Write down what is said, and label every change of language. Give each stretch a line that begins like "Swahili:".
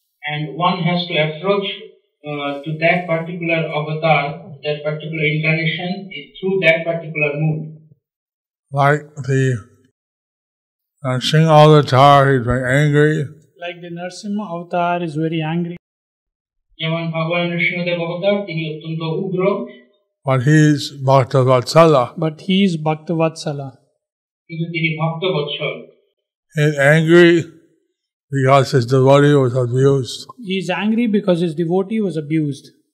English: and one has to approach to that particular avatar, that particular incarnation is through that particular mood. Like the Narsimha avatar is very angry. Like the Narsimha avatar is very angry.
Bangla: যেমন ভগবান নরসিংহদেব অবতার তিনি অত্যন্ত উগ্র
English: but he is bhaktavatsala. But he is bhaktavatsala.
Bangla: কিন্তু তিনি ভক্তবৎসল.
English: He is angry because his devotee was abused. He is angry because his devotee was abused.